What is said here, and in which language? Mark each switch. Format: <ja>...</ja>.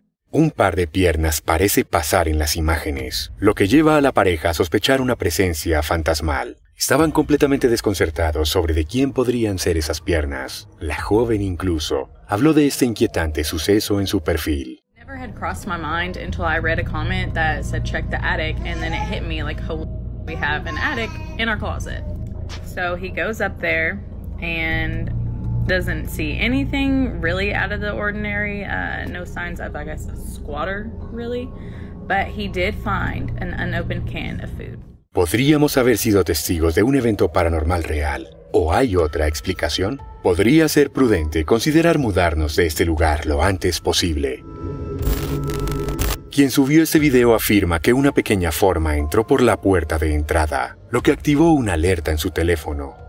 <es>Un par de piernas parece pasar en las imágenes, lo que lleva a la pareja a sospechar una presencia fantasmal. Estaban completamente desconcertados sobre de quién podrían ser esas piernas. La joven incluso habló de este inquietante suceso en su perfil.</es> <en>Never had crossed my mind until I read a comment that said check the attic, and then it hit me like, holy, we have an attic in our closet. So he goes up there and doesn't see anything really out of the ordinary, no signs of, I guess, a squatter, really, but he did find an unopened can of food.</en> <es>¿Podríamos haber sido testigos de un evento paranormal real? ¿O hay otra explicación? Podría ser prudente considerar mudarnos de este lugar lo antes posible. Quien subió este video afirma que una pequeña forma entró por la puerta de entrada, lo que activó una alerta en su teléfono.</es>